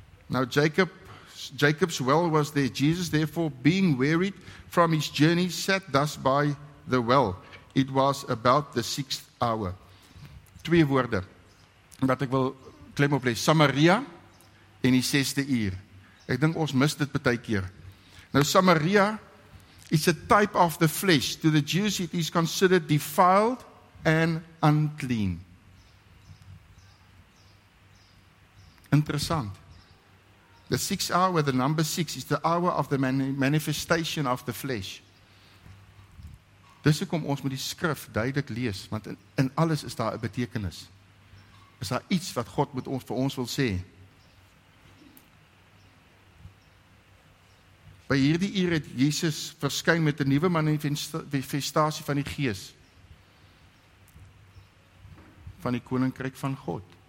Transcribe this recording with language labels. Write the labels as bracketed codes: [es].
[en] Now Jacob's well was there. Jesus therefore, being wearied from his journey, sat thus by the well. It was about the 6th hour. [af] Twee woorde wat ek wil klem op lê: Samaria en die 6de uur. Ek dink ons mis dit baie keer. [en] Nou Samaria is a type of the flesh. To the Jews it is considered defiled and unclean. Interessant. The 6th hour, the number 6, is the hour of the manifestation of the flesh. [af] Dis hoekom ons moet die skrif duidelik lees, want in alles is daar 'n betekenis. Is daar iets wat God met ons vir ons wil sê? By hierdie uur het Jesus verskyn met 'n nuwe manifestasie van die Gees van die koninkryk van God.